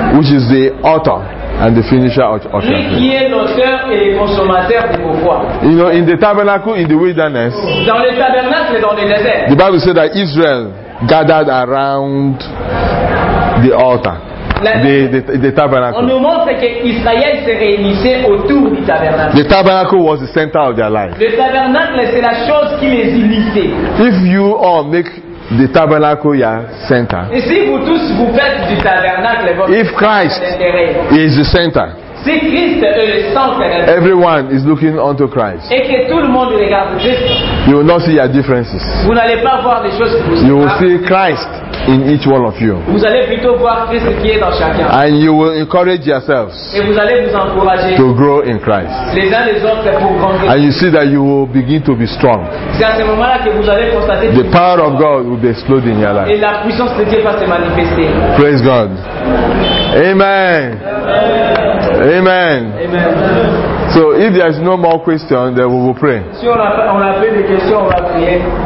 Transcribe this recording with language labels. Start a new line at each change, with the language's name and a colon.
English: Which is the author and the finisher of our faith.
French: Lui qui est l'auteur et le consommateur de vos foi.
English: You know, in the tabernacle, in the wilderness.
French: Dans le tabernacle, dans le désert.
English: The Bible says that Israel gathered around the altar. The tabernacle.
French: On nous montre que Israël se réunissait autour du tabernacle.
English: The tabernacle was the center of their life.
French: Le tabernacle c'est la chose qui les unissait.
English: If you all make the tabernacle your center.
French: Et si vous tous vous faites du tabernacle votre.
English: If Christ is the center.
French: Si Christ est le centre.
English: Everyone is looking unto Christ.
French: Et que tout le monde regarde Christ.
English: You will not see your differences.
French: Vous n'allez pas voir les choses que vous.
English: You will see Christ. In each one of you.
French: Vous allez plutôt voir Christ qui est dans chacun.
English: And you will encourage yourselves.
French: Et vous allez vous encourager.
English: To grow in Christ.
French: Les uns les autres pour grandir.
English: And you see that you will begin to be strong.
French: C'est à ce moment-là que vous allez constater.
English: The power of God will be explode in your life.
French: Et la puissance de Dieu va se manifester.
English: Praise God. Amen. Amen. Amen. Amen. So if there is no more question, then we will pray.
French: Si on a fait des questions, on va prier.